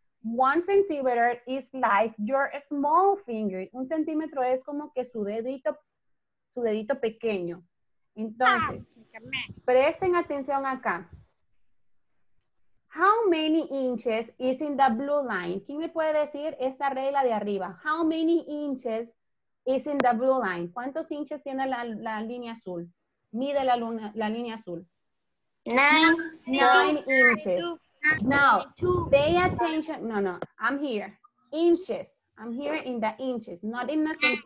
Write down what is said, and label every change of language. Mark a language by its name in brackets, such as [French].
[English] 1 centimeter is like your small finger. [Spanish] 1 centímetro es como que su dedito pequeño. Entonces, presten atención acá. [English] How many inches is in the blue line? [Spanish] ¿Quién me puede decir esta regla de arriba? [English] How many inches is in the blue line? [Spanish] ¿Cuántos inches tiene la línea azul? Mide la línea azul. [English] 9 inches. Now, pay attention. No, no, I'm here. Inches. I'm here in the inches, not in the centimeters.